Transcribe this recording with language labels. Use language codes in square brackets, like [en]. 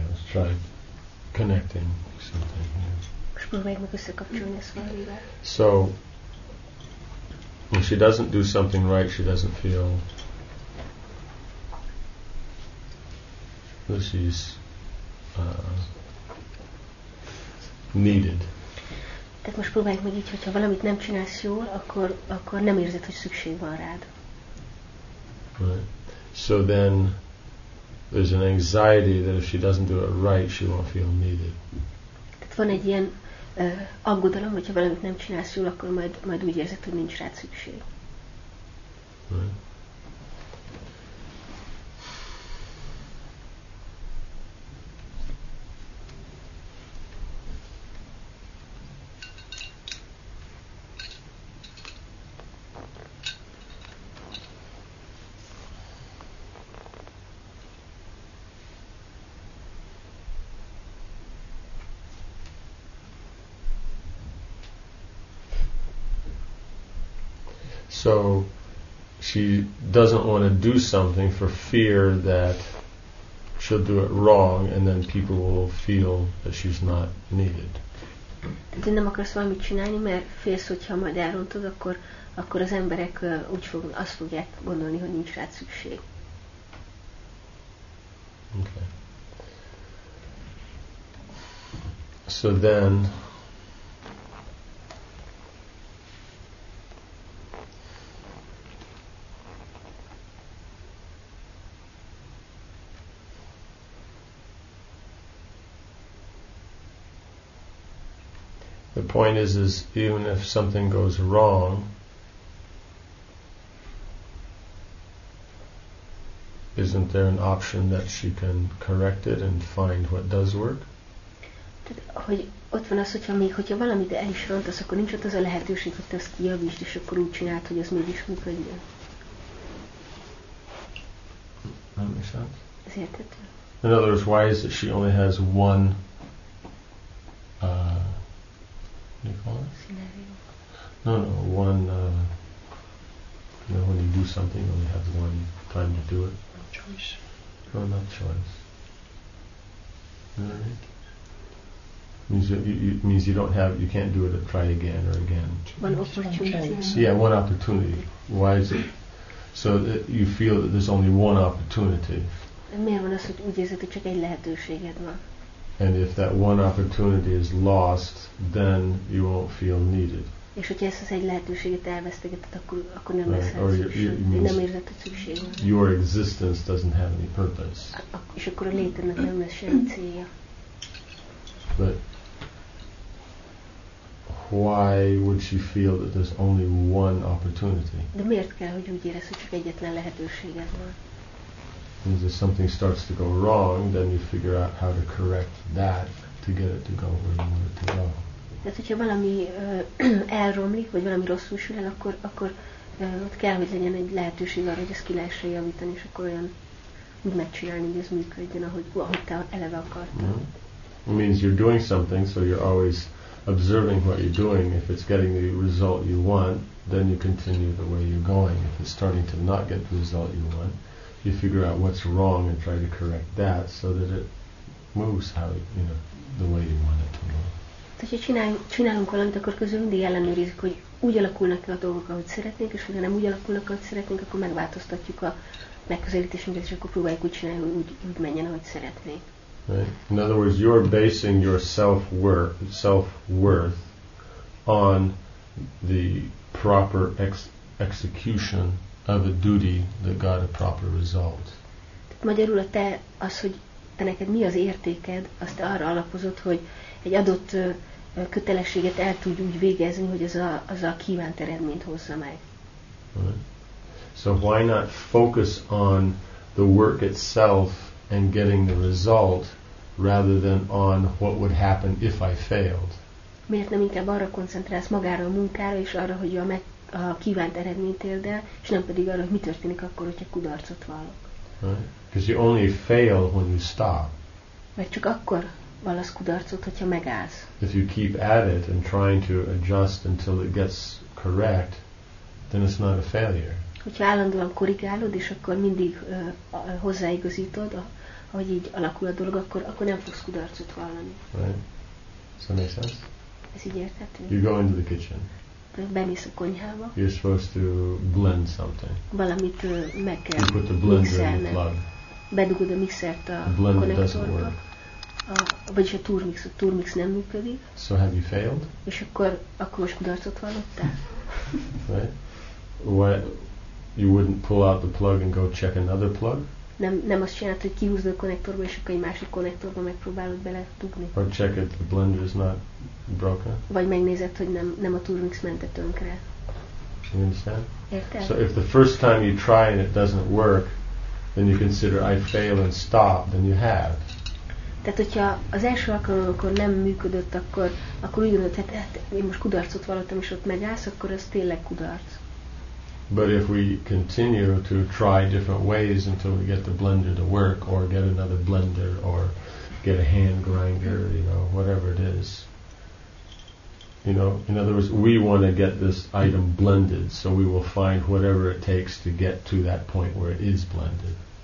[en] Try connecting something here. So, when she doesn't do something right, she doesn't feel that she's needed. [hu] Tehát most próbáljuk meg így, hogyha valamit nem csinálsz jól, akkor nem érzed, hogy szükség van rád. [en] Right. So then, there's an anxiety that if she doesn't do it right, she won't feel needed. [hu] Tehát van egy ilyen aggodalom, hogyha valamit nem csinálsz jól, akkor majd úgy érzed, hogy nincs rád szükség. [en] Right. So she doesn't want to do something for fear that she'll do it wrong and then people will feel that she's not needed. [hu] De nem akarsz valamit csinálni, mert félsz, hogyha majd elrontod, akkor az emberek azt fogják gondolni, hogy nincs rá szükség. [en] Okay. So then the point is even if something goes wrong, isn't there an option that she can correct it and find what does work? [hu] Hogy ott van az, hogyha valamit el is rontasz, akkor nincs ott az a lehetőség, hogy te ezt kijavítsd, és akkor úgy csináld, hogy ez mégis működjön. Nem is hát. Ez értető. [en] In other words, why is it she only has one when you do something, you only have one time to do it. Not choice. Right. Means you can't do it and try again or again. One opportunity. Why is it? So that you feel that there's only one opportunity. And if that one opportunity is lost, then you won't feel needed. [hu] És hogyha ezt az egy lehetőséget elvesztegeted, akkor nem lesz rá szükség. Nem érzed, hogy szükség van. [en] Your existence doesn't have any purpose. [hu] És akkor a létednek nem lesz semmi célja. [en] But why would she feel that there's only one opportunity? [hu] De miért kell, hogy úgy érezd, hogy csak egyetlen lehetőséged van? [en] Because if something starts to go wrong, then you figure out how to correct that to get it to go where you want it to go. [hu] Tehát, hogyha valami elromlik, vagy valami rosszul sül el, akkor ott kell, hogy legyen egy lehetőség arra, hogy ezt ki lehessen javítani, és akkor olyan úgy megcsinálni, hogy ez működjön, ahogy te eleve akartad. [en] Mm-hmm. It means you're doing something, so you're always observing what you're doing. If it's getting the result you want, then you continue the way you're going. If it's starting to not get the result you want, you figure out what's wrong and try to correct that so that it moves how you know the way you want it to move. [hu] Tehát, hogyha csinálunk valamit, akkor közül mindig ellenőrizzük, hogy úgy alakulnak-e a dolgok, ahogy szeretnénk, és ha nem úgy alakulnak, ahogy szeretnénk, akkor megváltoztatjuk a megközelítésünket, és akkor próbáljuk úgy csinálni, hogy úgy menjen, ahogy szeretnénk. [en] Right. In other words, you're basing your self-worth on the proper execution of a duty that got a proper result. [hu] Magyarul a te az, hogy te neked mi az értéked, azt arra alapozod, hogy egy adott kötelességet el tud úgy végezni, hogy az a kívánt eredményt hozza meg. [en] So why not focus on the work itself and getting the result rather than on what would happen if I failed? [hu] Miért nem inkább arra koncentrálsz magára a munkára és arra, hogy a kívánt eredményt érd el, és nem pedig arra, hogy mi történik akkor, hogyha kudarcot vallok. [en] Because you only fail when you stop. [hu] Mert csak akkor vallasz kudarcot, hogyha megállsz. [en] If you keep at it and trying to adjust until it gets correct, then it's not a failure. [hu] Hogyha állandóan korrigálod, és akkor mindig hozzáigazítod, ahogy így alakul a dolog, akkor nem fogsz kudarcot vallani. [en] Right. So makes sense? [hu] Ez így érthető? [en] You go into the kitchen. [hu] Bemész a konyhába. [en] You're supposed to blend something. [hu] Valamit meg kell [en] mixelni. You put the blender in the plug. [hu] Bedugod a mixert a konnektorba. Vagyis a turmix. A turmix nem működik. [en] So have you failed? [hu] És akkor most kudarcot vallottál? [en] Right. What? You wouldn't pull out the plug and go check another plug? [hu] Nem azt csinálod, hogy kihúzod a konnektorba, és akkor egy másik konnektorba megpróbálod beledugni. [en] Or check if the blender is not broken? [hu] Vagy megnézed, hogy nem a turmix ment tönkre. [en] You understand? [hu] Érted? [en] So if the first time you try and it doesn't work, then you consider I fail and stop, then you have. [hu] Tehát hogyha az első alkalom, amikor nem működött, akkor úgy gondolod, hát én most kudarcot vallottam, és ott megállsz, akkor az tényleg kudarc. [en] But if we continue to try different ways until we get the blender to work, or get another blender, or get a hand grinder, you know, whatever it is. You know, in other words, we want to get this item blended, so we will find whatever it takes to get to that point where it is blended.